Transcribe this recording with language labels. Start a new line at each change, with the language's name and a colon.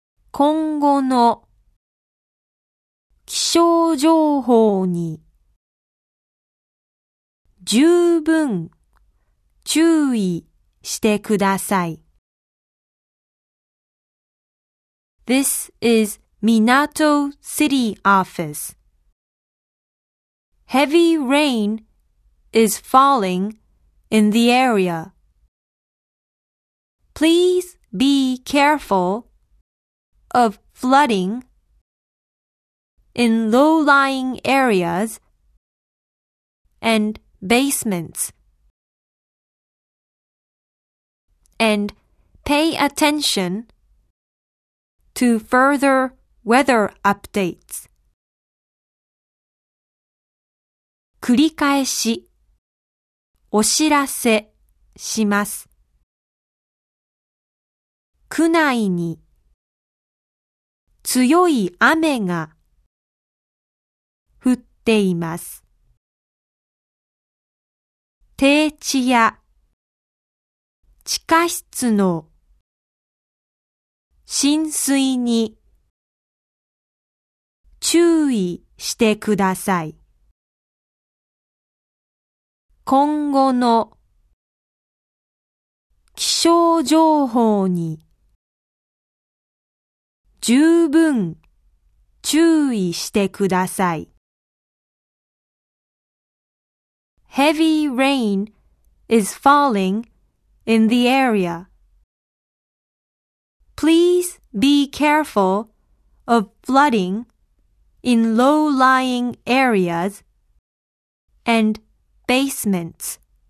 Japanese: 今後の気象情報に十分注意してください。
English: This is Minato City Office. Heavy rain is falling in the area. Please be careful of flooding in low-lying areas and basements. And pay attention to further weather updates.
Japanese: 繰り返しお知らせします。区内に強い雨が降っています。低地や地下室の浸水に注意してください。今後の気象情報に十分注意してください。
English: Heavy rain is falling in the area. Please be careful of flooding in low-lying areas and basements.